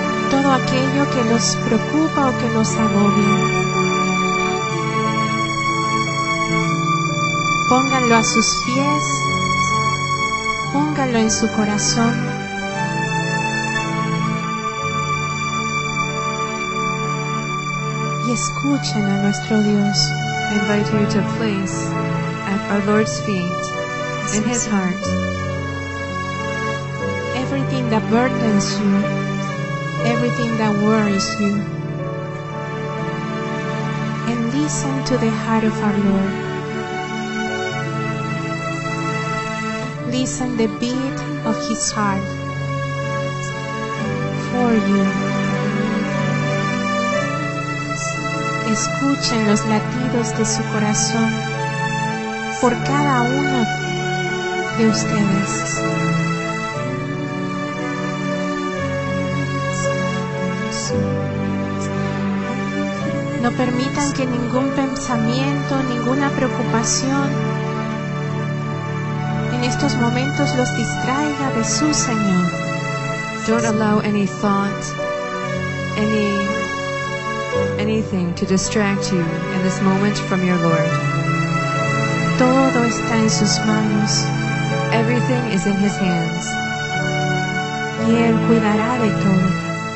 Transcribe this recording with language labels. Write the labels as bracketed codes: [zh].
[es] Todo aquello que nos preocupa o que nos agobia, pónganlo a sus pies. Póngalo en su corazón. Y escuchen a nuestro Dios. [en] I invite you to place at our Lord's feet, in his heart, everything that burdens you, everything that worries you. And listen to the heart of our Lord. Listen the beat of his heart for you. [es] Escuchen los latidos de su corazón por cada uno de ustedes. No permitan que ningún pensamiento, ninguna preocupación en estos momentos los distraiga de su Señor. [en] Don't allow any thought, anything to distract you in this moment from your Lord. [es] Todo está en sus manos. [en] Everything is in his hands. [es] Y él cuidará de todo.